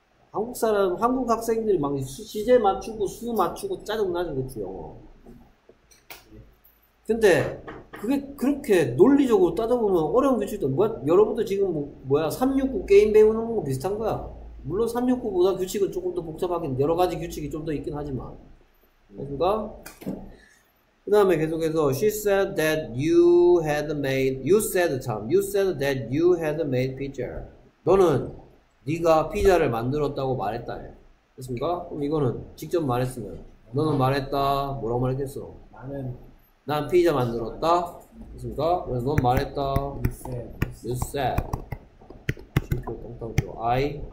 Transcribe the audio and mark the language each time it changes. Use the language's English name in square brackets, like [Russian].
[Korean] 한국 사람, 한국 학생들이 막 시제 맞추고 수 맞추고 짜증나지, 그치, 영어. 근데, 그게 그렇게 논리적으로 따져보면 어려운 규칙도, 뭐야, 여러분도 지금 뭐야, 369 게임 배우는 거 비슷한 거야. 물론 369보다 규칙은 조금 더 복잡하긴, 여러 가지 규칙이 좀 더 있긴 하지만. 됐습니까? 그 다음에 계속해서, [English] she said that you had made, you said, Tom, you said that you had made pizza. [Korean] 너는, 네가 피자를 만들었다고 말했다. 됐습니까? 그럼 이거는 직접 말했으면 너는 말했다. 뭐라고 말했겠어? 나는 난 피자 만들었다. 됐습니까? 그래서 넌 말했다. [English] You said. You said. [Korean] 지금 똥땅 줘. [English] I